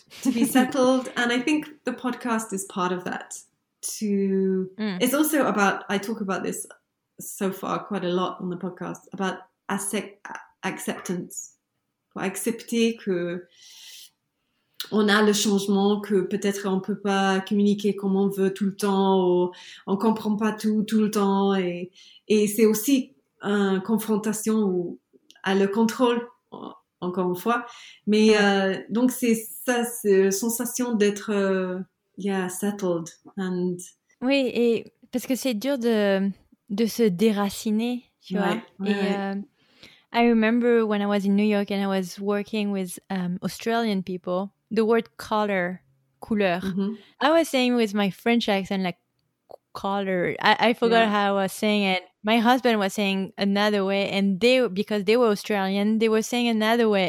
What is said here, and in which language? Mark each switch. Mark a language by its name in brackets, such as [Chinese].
[English] To be settled, and I think the podcast is part of that. It's also about, I talk about this so far quite a lot on the podcast, about acceptance. [French] Accepter que on a le changement, que peut-être on peut pas communiquer comme on veut tout le temps, ou on comprend pas tout le temps, et c'est aussi confrontation ou à le contrôle, encore une fois. Mais donc, c'est ça, c'est la sensation d'être settled. [English] And... [French] Oui, et parce que c'est dur de se déraciner, tu vois. [English] I remember when I was in New York and I was working with Australian people, the word color, couleur. Mm-hmm. I was saying with my French accent, like, color. I forgot how I was saying it. My husband was saying another way, and they, because they were Australian, they were saying another way.